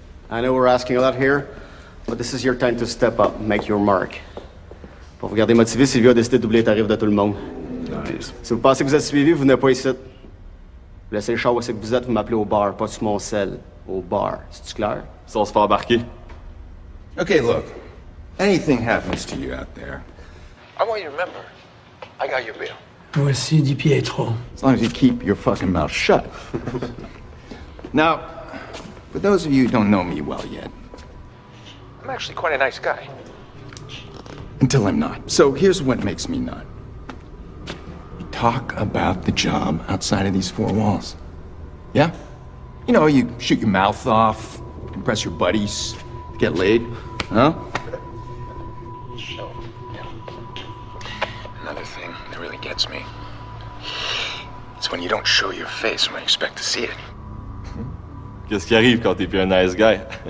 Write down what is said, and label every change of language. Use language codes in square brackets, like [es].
[en] I know we're asking a lot here, but this is your time to step up, make your mark. [fr] Pour vous garder motivé, Sylvie a décidé d'oublier les tarifs de tout le monde. [en] Nice. [fr] Si vous pensez que vous êtes suivi, vous n'êtes pas ici. Laissez le char où c'est que vous êtes, vous m'appelez au bar, pas sur mon sel. Au bar. C'est-tu clair? Sans se faire embarquer. [en] OK, look. Anything happens to you out there, I want you to remember. I got your bill. [fr] Voici Di Pietro. [en] As long as you keep your fucking mouth shut. Now, for those of you who don't know me well yet, I'm actually quite a nice guy. Until I'm not. So here's what makes me not. Talk about the job outside of these four walls. Yeah? You know, you shoot your mouth off, impress your buddies, get laid, huh? So, another thing that really gets me is when you don't show your face when I expect to see it. [fr] Qu'est-ce qui arrive quand t'es plus un [en] nice guy?